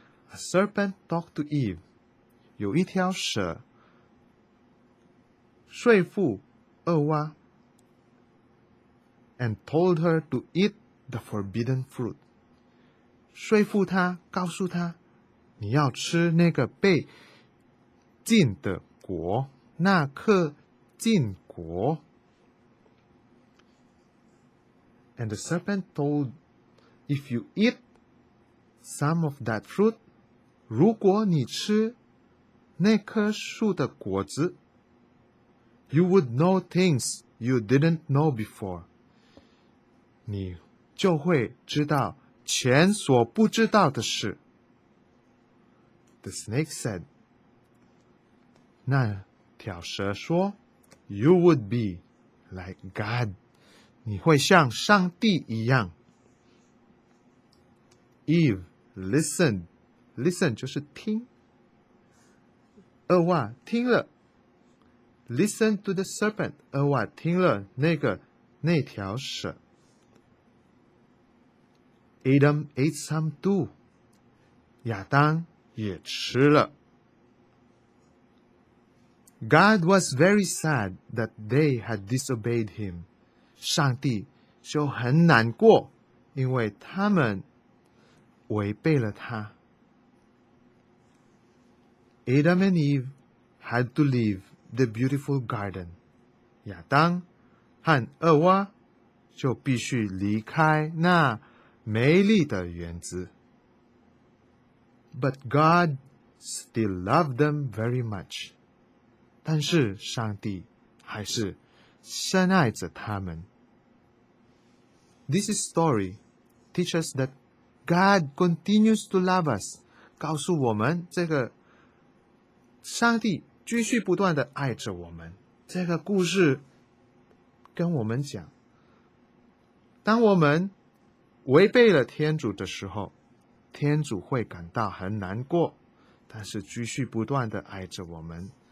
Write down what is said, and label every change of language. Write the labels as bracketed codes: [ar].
[en] A serpent talked to Eve, [zh] 有一条蛇说服厄娃 [en] and told her to eat the forbidden fruit. [zh] 说服她告诉她你要吃那个被禁的果那颗禁果。 [en] And the serpent told, if you eat some of that fruit, [zh] 如果你吃那棵树的果子 [en] you would know things you didn't know before. [zh] 你就会知道前所不知道的事。 [en] The snake said, [zh] 那条蛇说 [en] you would be like God. [zh] 你会像上帝一样。 [en] Eve listened [zh] 就是听。厄娃听了。 [en] Listen to the serpent, [zh] 厄娃听了那条蛇。 [en] Adam ate some too, [zh] 亚当也吃了。 [en] God was very sad that they had disobeyed him. [zh] 上帝就很难过，因为他们违背了他。 [en] Adam and Eve had to leave the beautiful garden. [zh] 亚当和厄娃就必须离开那美丽的园子。 [en] But God still loved them very much. [zh] 但是上帝还是深爱着他们。 [en] This story teaches that God continues to love us. [zh] 告诉我们这个上帝继续不断地爱着我们。这个故事跟我们讲，当我们违背了天主的时候，天主会感到很难过，但是继续不断地爱着我们。